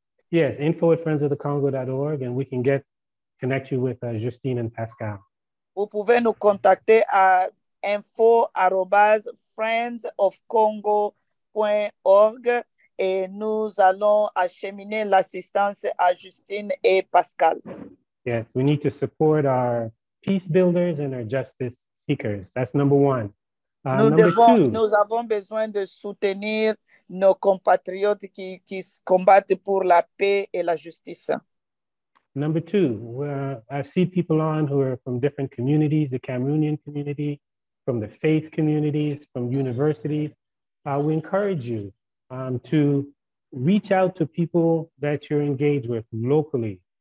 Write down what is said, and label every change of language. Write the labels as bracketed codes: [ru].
[en] Yes, info@friendsofthecongo.org, and we can connect you with Justine and Pascal. [fr] Vous pouvez nous contacter à info@friendsofcongo.org, et nous allons acheminer l'assistance à Justine et Pascal. [en] Yes, we need to support our peace builders and our justice seekers. That's number one. [fr] Nous avons besoin de soutenir nos compatriotes qui combattent pour la paix et la justice. [en] Number two, I see people on who are from different communities, the Cameroonian community, from the faith communities, from universities. We encourage you to reach out to people that you're engaged with locally.